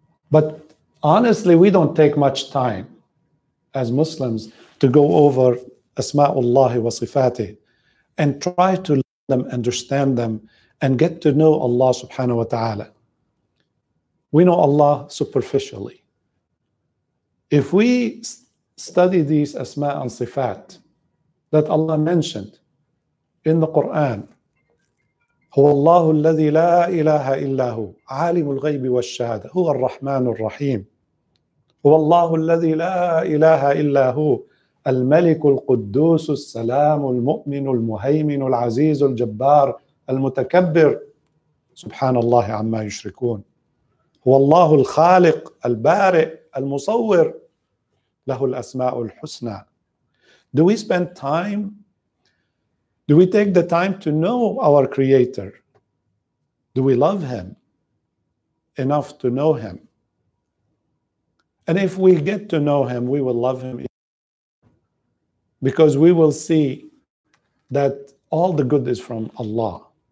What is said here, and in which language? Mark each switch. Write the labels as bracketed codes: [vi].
[en] But honestly, we don't take much time as Muslims to go over Asma'ullah wa Sifati and try to learn them, understand them, and get to know Allah subhanahu wa ta'ala. We know Allah superficially. If we study these Asma' and Sifat that Allah mentioned in the Quran, [ar] هو الله الذي لا إله إلا هو عالم الغيب والشهادة هو الرحمن الرحيم هو الله الذي لا إله إلا هو الملك القدوس السلام المؤمن المهيمن العزيز الجبار المتكبر سبحان الله عما يشركون هو الله الخالق البارئ المصور له الأسماء الحسنى. [en] Do we spend time? Do we take the time to know our Creator? Do we love Him enough to know Him? And if we get to know Him, we will love Him even because we will see that all the good is from Allah.